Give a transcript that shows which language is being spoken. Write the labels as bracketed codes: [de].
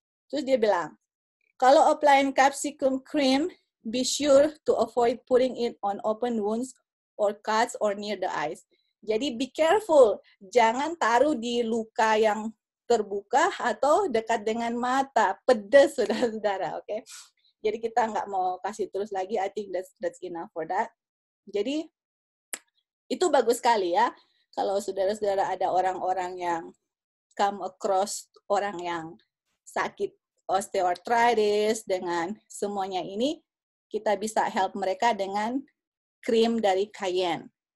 [id] Terus dia bilang, kalau [en] applying capsicum cream, be sure to avoid putting it on open wounds or cuts or near the eyes. [id] Jadi [en] be careful, [id] jangan taruh di luka yang terbuka atau dekat dengan mata, pedes saudara-saudara, oke. [en] Okay? [id] Jadi kita nggak mau kasih terus lagi, [en] I think that's enough for that. [id] Jadi itu bagus sekali ya, kalau saudara-saudara ada orang-orang yang [en] come across [id] orang yang sakit osteoarthritis dengan semuanya ini, kita bisa help mereka dengan krim dari Cayenne.